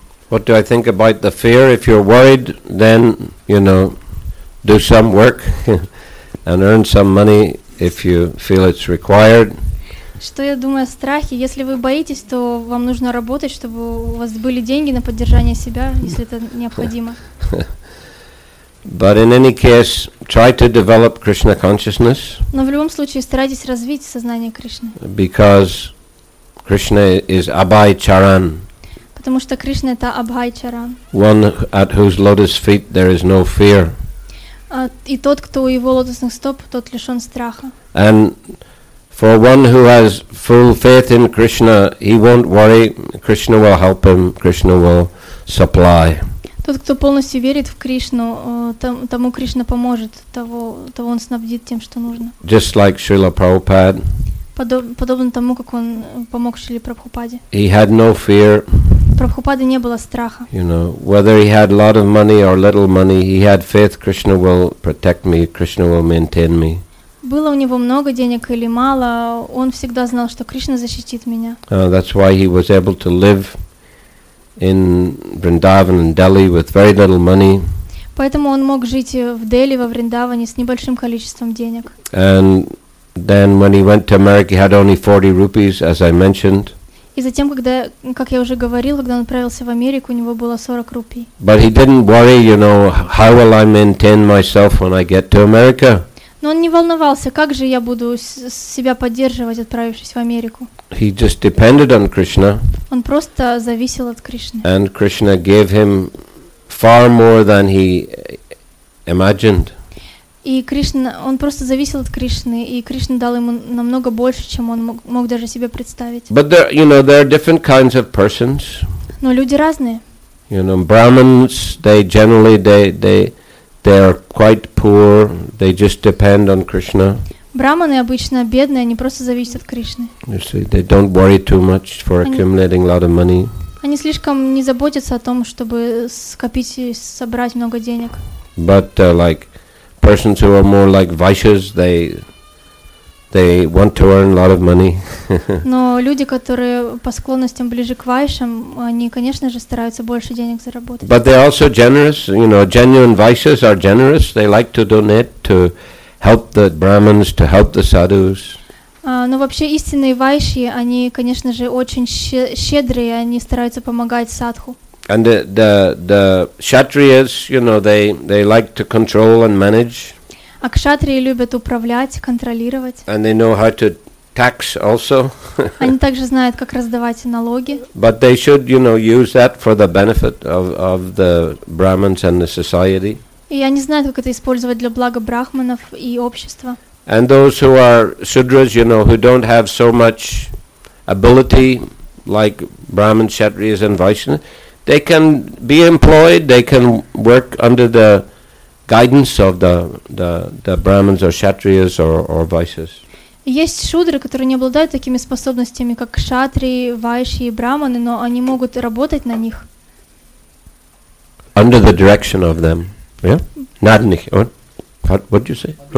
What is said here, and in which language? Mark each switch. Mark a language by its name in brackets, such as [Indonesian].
[English] What do I think about the fear? If you're worried, then, you know, do some work and earn some money if you feel it's required. [Russian] Что я думаю о страхе? Если вы боитесь, то вам нужно работать, чтобы у вас были деньги на поддержание себя, если это необходимо. [English] But in any case, try to develop Krishna consciousness. [Russian] Но в любом случае старайтесь развить сознание Кришны. [English] Because Krishna is Abhay Charan. [Russian] Потому что Кришна это Абхай Чаран. [English] One at whose lotus feet there is no fear. [Russian] И тот, кто у его лотосных стоп, тот лишен страха. [English] And for one who has full faith in Krishna, he won't worry. Krishna will help him. Krishna will supply. [Russian] Тот, кто полностью верит в Кришну, тому Кришна поможет, того он снабдит тем, что нужно. [English] Just like Srila Prabhupada. [Russian] Подобно тому, как он помог Шриле Прабхупаде. [English] He had no fear. [Russian] Прабхупаде не было страха. [English] You know, whether he had a lot of money or little money, he had faith Krishna will protect me, Krishna will maintain me. [Russian] Было у него много денег или мало, он всегда знал, что Кришна защитит меня. [English] That's why he was able to live in Vrindavan and Delhi with very little money. [Russian] Поэтому он мог жить в Дели, во Вриндаване с небольшим количеством денег. [English] And then when he went to America, he had only 40 rupees, as I mentioned. [Russian] И затем, когда, как я уже говорил, когда он отправился в Америку, у него было 40 рупий. [English] But he didn't worry, you know, how will I maintain myself when I get to America? [Russian] Но он не волновался, как же я буду себя поддерживать, отправившись в Америку. [English] He just depended on Krishna. [Russian] Он просто зависел от Кришны. [English] And Krishna gave him far more than he imagined. [Russian] И Кришна, он просто зависел от Кришны, и Кришна дал ему намного больше, чем он мог даже себе представить. [English] But there, you know, there are different kinds of persons. [Russian] Но люди разные. [English] You know, Brahmins, they generally are quite poor. They just depend on Krishna. [Russian] Брахманы обычно бедные, они просто зависят от Кришны. [English] You see, they don't worry too much for accumulating a lot of money. [Russian] Они слишком не заботятся о том, чтобы скопить и собрать много денег. [English] But like persons who are more like Vaishyas, they want to earn a lot of money. [Russian] Но люди, которые по склонностям ближе к вайшам, они, конечно же, стараются больше денег заработать. [English] But they're also generous. You know, genuine vaishyas are generous. They like to donate to help the brahmins, to help the sadhus. [Russian] Но вообще истинные вайши, они, конечно же, очень щедрые. Они стараются помогать садху. [English] And the kshatriyas, you know, they like to control and manage. [Russian] А кшатрии любят управлять, контролировать. [English] And they know how to tax also. [Russian] Они также знают, как раздавать налоги. [English] But they should, you know, use that for the benefit of the brahmins and the society. [Russian] И они знают, как это использовать для блага брахманов и общества. [English] And those who are shudras, you know, who don't have so much ability like brahmins, kshatriyas and vaishnavas, they can be employed, they can work under the guidance of the brahmins or kshatriyas or vaishyas. [Russian] Есть шудры, которые не обладают такими способностями, как кшатрии, вайши и брахманы, но они могут работать на них. [English] Under the direction of them. Yeah? Not in the, what did you say?